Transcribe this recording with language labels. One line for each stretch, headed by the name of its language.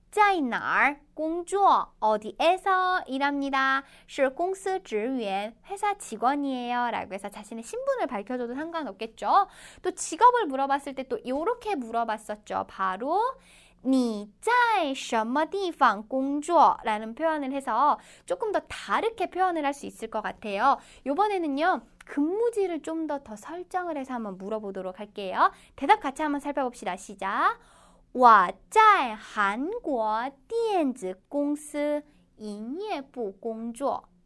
Chinese: 我在大韩公司工作，是公司职员。我在大韩公司工作，是公司职员。我在哪儿工作？ 어디에서 일합니다. 是公司职员， 회사직원이에요。
Korean: 라고해서자신의신분을밝혀줘도상관없겠죠。 또직업을물어봤을때또이렇게물어봤었죠。
Chinese: 바로你在什么地方工作？
Korean: 라는 표현을 해서 조금 더 다르게 표현을 할수 있을 것 같아요. 이번에는요, 근무지를 좀더더 설정을 해서 한번 물어보도록 할게요. 대답 같이 한번 살펴봅시다. 시작.
Chinese: 我在韩国电子公司营业部工作.